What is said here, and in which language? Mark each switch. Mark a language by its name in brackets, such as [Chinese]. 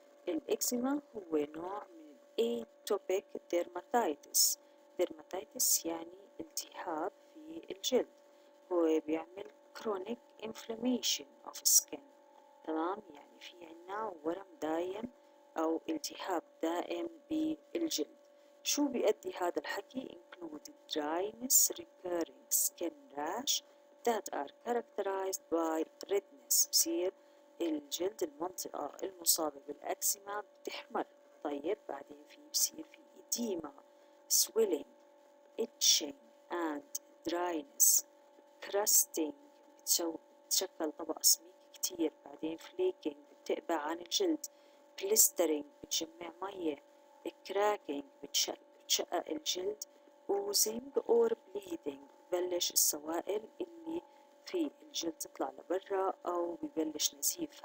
[Arabic] الإكزيما هو نوع من الأتوبيك ديرماتايتس. ديرماتايتس يعني التهاب في الجلد، هو بيعمل [English] chronic inflammation of skin. [Arabic] تمام؟ يعني في عنا ورم دائم أو التهاب دائم بالجلد. شو بيؤدي هذا الحكي؟ [English] include dryness, recurring skin rash that are characterized by redness. [Arabic] بصير الجلد المنطقة المصابة بالأكزيما بتحمر. طيب بعدين في بصير في [English] edema, swelling, itching and dryness. [Arabic] كراستينج بتشكل طبقة سميك كتير، بعدين فليكينج بتقبع عن الجلد، بلسترينج بتجمع مية، كراكينج بتشقق الجلد، اوزينج اور بليدينج ببلش السوائل اللي في الجلد تطلع لبرا او ببلش نزيف.